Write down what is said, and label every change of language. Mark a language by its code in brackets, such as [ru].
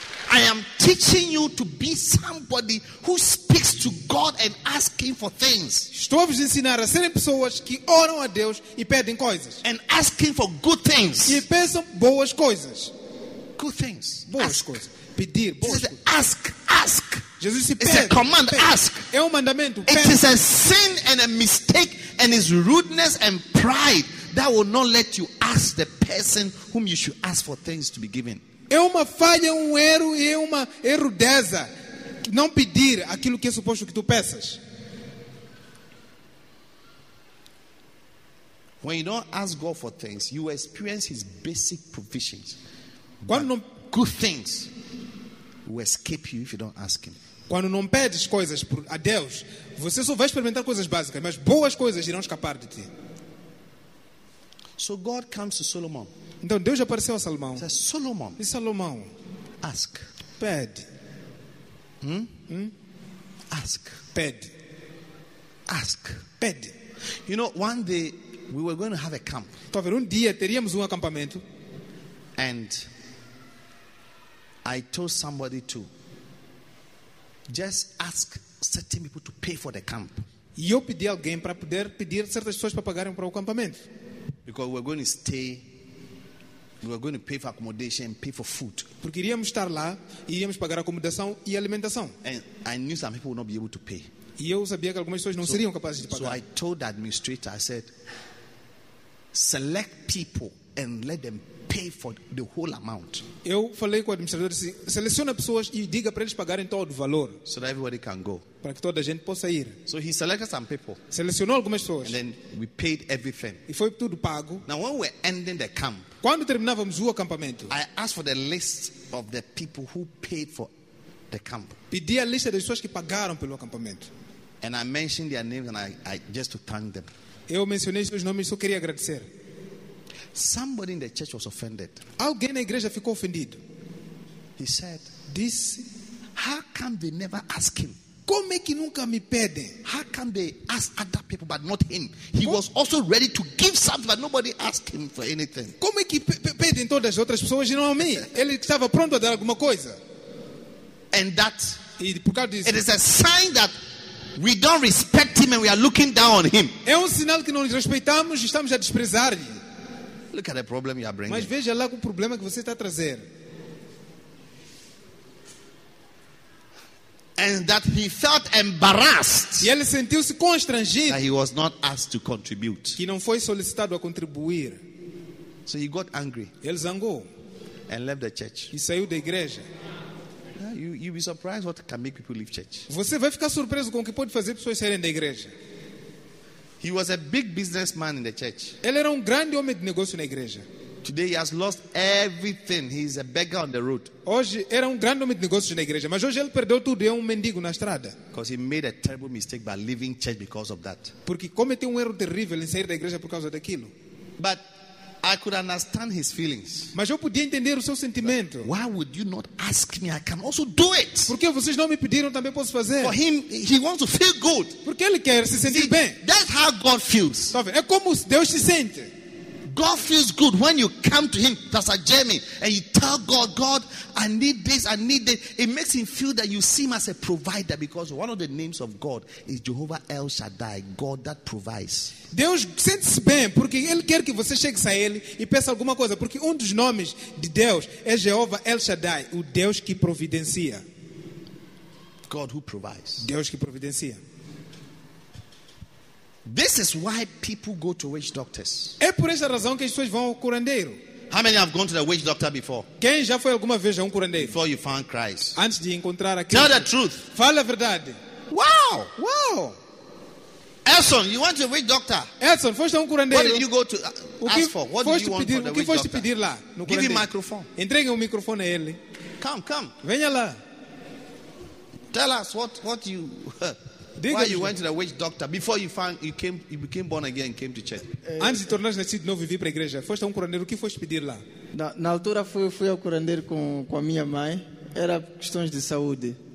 [en] I am teaching you to be somebody who speaks to God and asking for things. [pt] Estou a vos ensinar a serem pessoas que oram a Deus e pedem coisas. [en] And asking for good things. [pt] E peçam boas coisas. [en] Good things. [pt] Boas [en] ask. [pt] Coisas. Pedir boas Jesus coisas. [en] Ask, ask. [pt] Jesus disse, [en] it's [pt] pede, [en] a command, [pt] pede. [en] Ask. [pt] É mandamento, [en] it [pt] pede. [en] Is a sin and a mistake and is rudeness and pride that will not let you ask the person whom you should ask for things to be given. [pt] É uma falha, um erro e uma erudeza não pedir aquilo que é suposto que tu peças. [en] When you don't ask God for things, you experience His basic provisions. [pt] Quando não, [en] good things will escape you if you don't ask Him. [pt] Quando não pedes coisas a Deus, você só vai experimentar coisas básicas, mas boas coisas irão escapar de ti. [en] So God comes to Solomon. [pt] Então Deus apareceu a Salomão. Diz Salomão. Diz Salomão. [en] Ask. [pt] Pede. [en] Ask. [pt] Pede. [en] Ask. [pt] Pede. [en] You know, one day we were going to have a camp. [pt] Talvez um dia teríamos acampamento. [en] And I told somebody to just ask certain people to pay for the camp. [pt] E eu pedi a alguém para poder pedir certas pessoas para pagarem para o acampamento. [en] Because we're going to stay. We were going to pay for accommodation and pay for food. [pt] Porque iríamos estar lá e iríamos pagar acomodação e alimentação. [en] And I knew some people would not be able to pay. [pt] E eu sabia que algumas pessoas não seriam capazes de pagar. [en] So I told the administrator, I said, select people and let them pay for the whole amount. [pt] Eu falei com o administrador, disse, seleciona pessoas e diga para eles pagarem todo o valor. [en] So that everybody can go. [pt] Para que toda a gente possa ir. [en] So he selected some people. [pt] Selecionou algumas pessoas. [en] And then we paid everything. [pt] E foi tudo pago. [en] Now when we're ending the camp, [pt] quando terminávamos o acampamento, [en] I asked for the list of the people who paid for the camp. [pt] Pedi a lista das pessoas que pagaram pelo acampamento. [en] And I mentioned their names and I just to thank them. [pt] Eu mencionei seus nomes e só queria agradecer. [en] Somebody in the church was offended. [pt] Alguém na igreja ficou ofendido. [en] He said, "This, how come they never ask him? [pt] Como é que nunca me pedem? [en] How come they ask other people but not him? He was also ready to give something but nobody asked him for anything. [pt] Como é que pedem todas as outras pessoas e não a mim? Ele estava pronto a dar alguma coisa. [en] And that, [pt] por causa disso, [en] it is a sign that we don't respect him and we are looking down on him. [pt] É sinal que não lhe respeitamos e estamos a desprezar-lhe. [en] Look at the problem you are bringing. [pt] Mas veja lá o problema que você está a trazer. [en] And that he felt embarrassed. [pt] E ele sentiu-se constrangido. [en] That he was not asked to contribute. [pt] Que não foi solicitado a contribuir. [en] So he got angry. [pt] Ele zangou. [en] And left the church. [pt] E saiu da igreja. [en] You'll be surprised what can make people leave church. [pt] Você vai ficar surpreso com o que pode fazer pessoas saírem da igreja. [en] He was a big businessman in the church. [pt] Ele era grande homem de negócio na igreja. [en] Today he has lost everything. He is a beggar on the road. [pt] Hoje era grande homem de negócio na igreja, mas hoje ele perdeu tudo e é mendigo na estrada. [en] Because he made a terrible mistake by leaving church because of that. [pt] Porque cometeu erro terrível em sair da igreja por causa daquilo. [en] But I could understand his feelings. [pt] Mas eu podia entender o seu sentimento. [en] Why would you not ask me? I can also do it. [pt] Porque vocês não me pediram, também posso fazer. [en] For him, he wants to feel good. [pt] Porque ele quer se sentir bem. [en] That's how God feels. [pt] É como Deus se sente. [en] God feels good when you come to him, Pastor Jeremy, and you tell God, God, I need this, I need that. It makes him feel that you see him as a provider, because one of the names of God is Jehovah El Shaddai, God that provides. [pt] Deus sente-se bem, porque ele quer que você chegue a ele e peça alguma coisa, porque dos nomes de Deus é Jehovah El Shaddai, o Deus que providencia. [en] God who provides. [pt] Deus que providencia. [en] This is why people go to witch doctors. [pt] É por essa razão que as pessoas vão ao curandeiro. [en] How many have gone to the witch doctor before? [pt] Quem já foi alguma vez a curandeiro? [en] Before you found Christ. [pt] Antes de encontrar a Cristo. [en] Tell the truth. [pt] Fala a verdade. Wow! Wow! [en] Elson, you went to a witch doctor. [pt] Elson, foste a curandeiro. [en] What did you go to ask for? What did you want from the witch doctor? [pt] Pedir lá, no [en] give him microphone. [pt] Entregue um microfone a ele. [en] Come, come. [pt] Venha lá. [en] Tell us what you why you went to the witch doctor before you became born again and came to church. [pt] Antes de tornares nascido de novo e vir para a igreja, foste a curandeiro, o que foste pedir lá? Na altura fui ao curandeiro com a minha mãe, era questões de saúde.